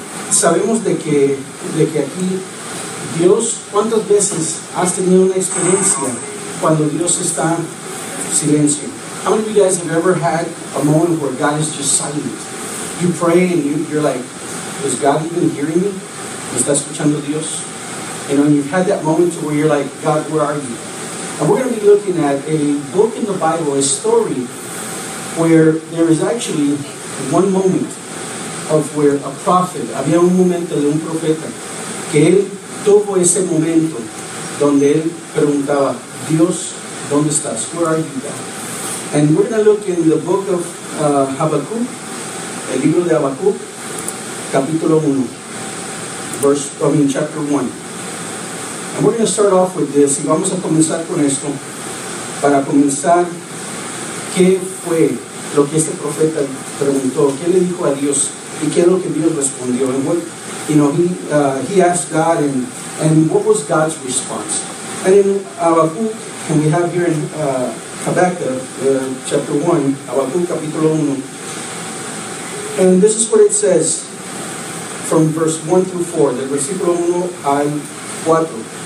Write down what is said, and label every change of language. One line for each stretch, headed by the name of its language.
Spanish: Sabemos de que aquí Dios, ¿cuántas veces has tenido una experiencia cuando Dios está silencio?
English: How many of you guys have ever had a moment where God is just silent? You pray and you're like, is God even hearing me?
Spanish: ¿Me está escuchando Dios?
English: And when you've had that moment to where you're like, God, where are you? And we're going to be looking at a book in the Bible, a story, where there is actually one moment of where a prophet,
Spanish: había un momento de un profeta, que él tuvo ese momento donde él preguntaba, Dios, ¿dónde estás?
English: Where are you, God? And we're going to look in the book of Habakkuk,
Spanish: el libro de Habakkuk, capítulo 1,
English: chapter 1. And we're going to start off with this.
Spanish: Y vamos a comenzar con esto. Para comenzar, ¿qué fue lo que este profeta preguntó? ¿Qué le dijo a Dios? ¿Y qué es lo que Dios respondió?
English: And what, you know, he asked God, and what was God's response? And in Habakkuk, and we have here in Habakkuk, capítulo 1. And this is what it says from verse 1 through 4,
Spanish: del versículo 1 al 4.